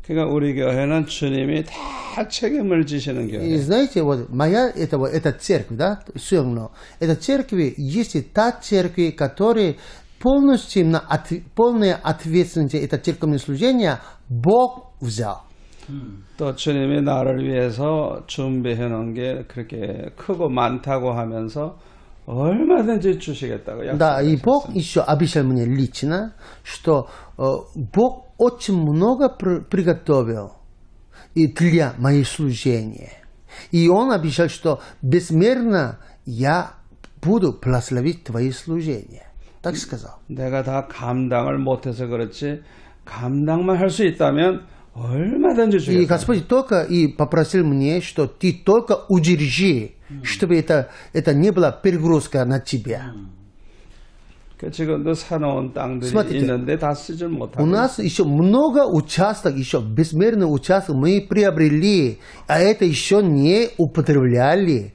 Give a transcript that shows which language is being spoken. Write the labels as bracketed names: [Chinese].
[Korean] 우리 교회는 주님이 다 책임을 지시는 교회. [Russian] Знаете, вот моя это вот эта церковь, да, Суэмно. Эта церковь есть та церковь, которая полностью на полная ответственность это церковное служение Бог взял. [Korean] 또 주님이 나를 위해서 준비해 놓은 게 그렇게 크고 많다고 하면서 얼마든지 주시겠다고 약속하셨습니다. [Russian] Да, и Бог еще обещал мне лично, что Бог очень много приготовил. И для моего служения. И он обещал, что безмерно я буду благословить твои служения. Так сказал. [Korean] 내가 다 감당을 못해서 그렇지 감당만 할 수 있다면 얼마든지 주겠다. [Russian] И Господь только и попросил мне, что ты только удержи, чтобы это не была перегрузка на тебя. Смотрите, у нас еще много участок, еще безмерный участок мы приобрели, а это еще не употребляли.